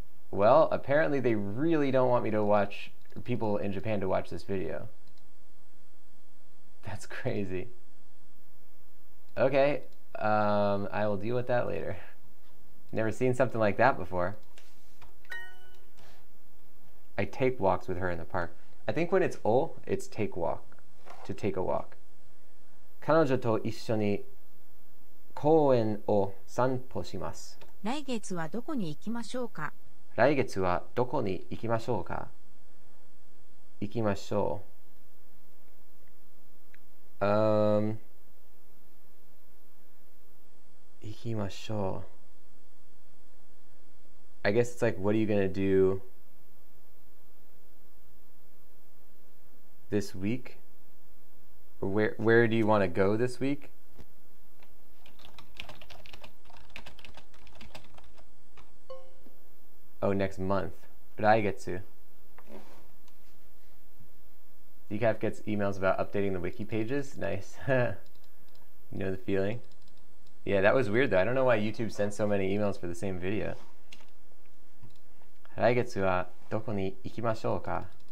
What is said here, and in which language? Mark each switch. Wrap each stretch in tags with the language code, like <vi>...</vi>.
<en>Well, apparently they really don't want me to watch people in Japan to watch this video. That's crazy. Okay, I will deal with that later. Never seen something like that before. I take walks with her in the park. I think when it's ol, it's take walk. To take a walk.</en> <ja>彼女と一緒に公園を散歩します。来月はどこに行きましょうか？来月はどこに行きましょうか？行きましょう。行きましょう。</ja> <en>I guess it's like, what are you gonna do this week? Where do you want to go this week? Oh, next month.</en> <ja>来月。</ja> <en>Decaf gets emails about updating the wiki pages. Nice. You know the feeling. Yeah, that was weird though. I don't know why YouTube sent so many emails for the same video.</en> <ja>来月はどこに行きましょうか?</ja>